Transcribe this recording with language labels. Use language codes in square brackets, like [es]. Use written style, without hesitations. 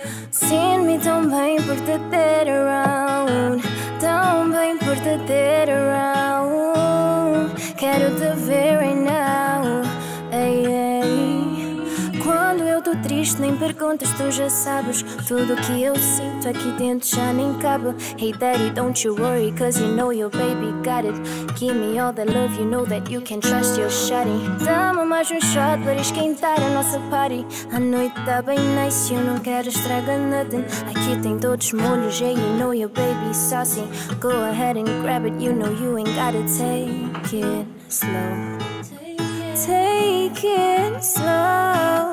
[pt] Sinto me tão bem por te ter around. Tão bem por te ter around. Quero te ver [en] right now. [pt] Ei, ei. Quando eu tô triste, nem perguntas, tu já sabes. Tudo que eu sinto aqui dentro já nem cabe. [en] Hey daddy, don't you worry, cause you know your baby got it. Give me all the love, you know that you can trust your shawty. [pt] Dá-me mais um shot para esquentar a nossa party. A noite tá bem nice, eu não quero estragar nothing. Aqui tem todos molhos, [en] hey, you know your baby saucy. Go ahead and grab it, you know you ain't gotta take it slow. Take it slow.